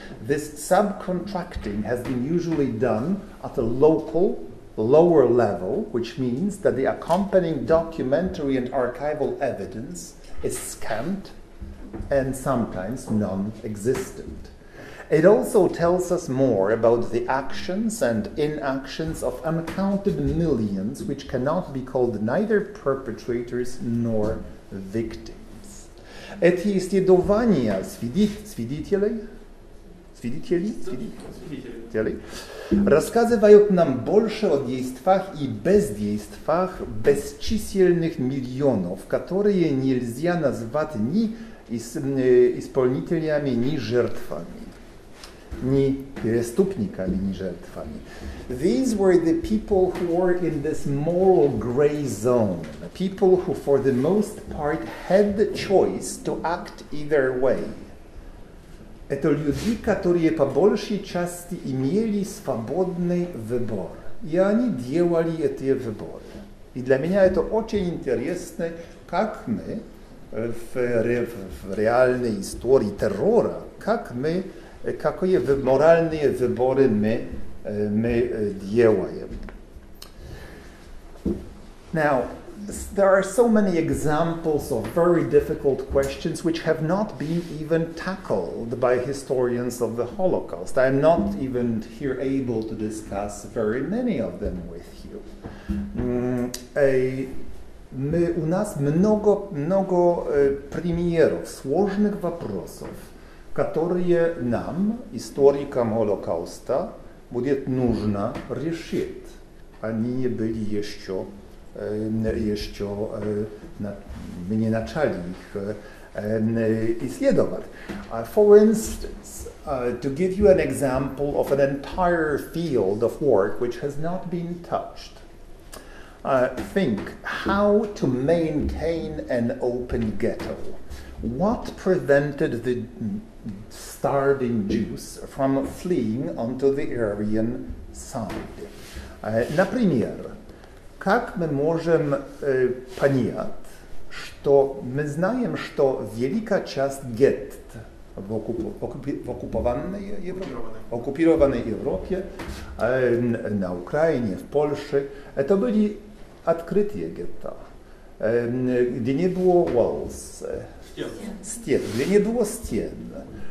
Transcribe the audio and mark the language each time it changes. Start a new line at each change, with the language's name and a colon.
English: This subcontracting has been usually done at a local, lower level, which means that the accompanying documentary and archival evidence is scant, and sometimes non-existent. It also tells us more about the actions and inactions of uncounted millions which cannot be called neither perpetrators nor victims.
Russian: Эти исследования свидетелей рассказывают нам больше о действиях и бездействиях бесчисленных миллионов, которые нельзя назвать ни исполнителями, ни жертвами, ни преступниками, ни жертвами.
English: These were the people who were in this moral gray zone, people who for the most part had the choice to act either way.
Russian: Это люди, которые по большей части имели свободный выбор, и они делали эти выборы. И для меня это очень интересно, как мы в реальной истории террора, как мы, какие моральные выборы мы делаем.
English: Now, there are so many examples of very difficult questions which have not been even tackled by historians of the Holocaust. I am not even here able to discuss very many of them with you.
Russian: У нас много примеров сложных вопросов, которое нам, историкам Холокоста, будет нужно решить. Они не были еще, мы не начали их исследовать.
English: For instance, to give you an example of an entire field of work which has not been touched, think how to maintain an open ghetto. What prevented the starving Jews from fleeing onto the Aryan side?
Russian: Например, как мы можем понять, что мы знаем, что великая часть гетт в оккупированной Европе, на Украине, в Польше, это были открытые гетта, где не было
English: walls,
Russian: стен, где не было стен.